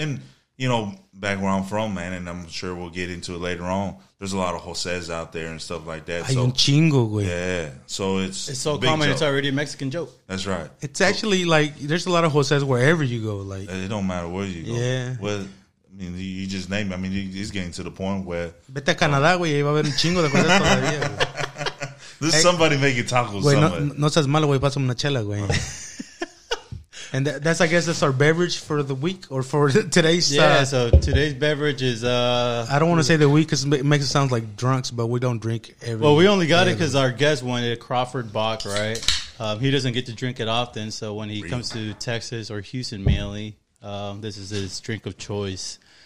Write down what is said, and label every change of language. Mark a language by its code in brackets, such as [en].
[en] And, you know, back where I'm from, man, and I'm sure we'll get into it later on, there's a lot of Jose's out there and stuff like that. [es] Hay un chingo, güey. [en] Yeah. So it's so common, it's already a Mexican joke. That's right. It's actually like there's a lot of Jose's wherever you go. Like, it don't matter where you go. Yeah. Well, I mean, you just name it. I mean, he's getting to the point where. [es] Vete a Canadá, güey. Va a haber un chingo de cosas todavía. [en] There's somebody making tacos. Güey, [es] no seas malo, güey. Pásame una chela, güey. [en] And that's, I guess, that's our beverage for the week or for today's. Yeah, so today's beverage is. I don't want to say the week because it makes it sound like drunks, but we don't drink every. Well, we only got it because our guest wanted a Crawford Bock, right? He doesn't get to drink it often, so when he comes to Texas or Houston mainly, this is his drink of choice.